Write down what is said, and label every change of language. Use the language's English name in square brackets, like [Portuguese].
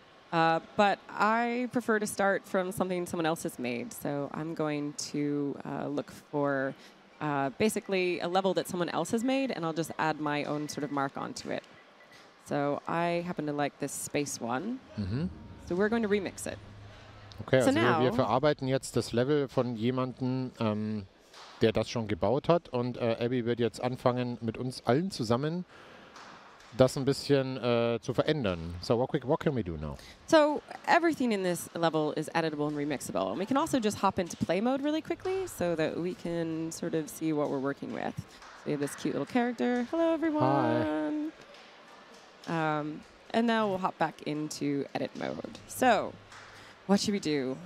[English] But I prefer to start from something someone else has made. So I'm going to look for basically a level that someone else has made, and I'll just add my own sort of mark onto it. So I happen to like this space one. Mm-hmm. So we're going to remix it. [German] Okay, also wir verarbeiten jetzt das Level von jemandem, der das schon gebaut hat. Und Abbie wird jetzt anfangen, mit uns allen zusammen das ein bisschen zu verändern. [English] So what can we do now? So everything in this level is editable and remixable. And we can also just hop into play mode really quickly so that we can sort of see what we're working with. We have this cute little character. Hello, everyone. Hi. And now we'll hop back into edit mode. So what should we do?